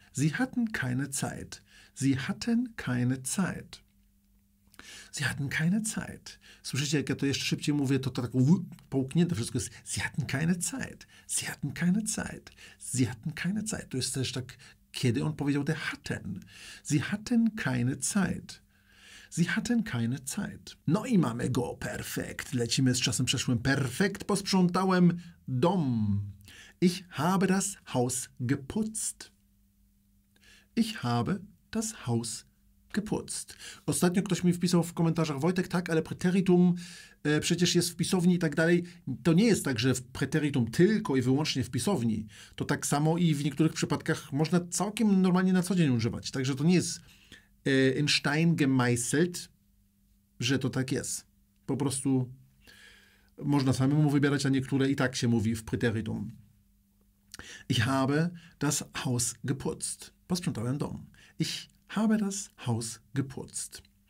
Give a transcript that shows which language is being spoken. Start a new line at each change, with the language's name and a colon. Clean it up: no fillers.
German: Sie hatten keine Zeit. Sie hatten keine Zeit. Sie hatten keine Zeit.
Polish: Słyszycie, jak ja to jeszcze szybciej mówię, to tak połknięte wszystko jest.
German: Sie hatten keine Zeit. Sie hatten keine Zeit. Sie hatten keine Zeit.
Polish: To jest też tak, kiedy on powiedział, der hatten.
German: Sie hatten keine Zeit. Sie hatten keine Zeit.
Polish: No i mamy go, perfekt. Lecimy z czasem przeszłym. Perfekt posprzątałem dom.
German: Ich habe das Haus geputzt. Ich habe das Haus geputzt.
Polish: Ostatnio ktoś mi wpisał w komentarzach, Wojtek, tak, ale preteritum przecież jest w pisowni i tak dalej. To nie jest tak, że w preteritum tylko i wyłącznie w pisowni. To tak samo i w niektórych przypadkach można całkiem normalnie na co dzień używać. Także to nie jest
German: in Stein gemeißelt,
Polish: że to tak jest. Po prostu można samemu wybierać, a niektóre i tak się mówi w preteritum.
German: Ich habe das Haus geputzt.
Polish: Posprzątałem dom.
German: Ich habe das Haus geputzt.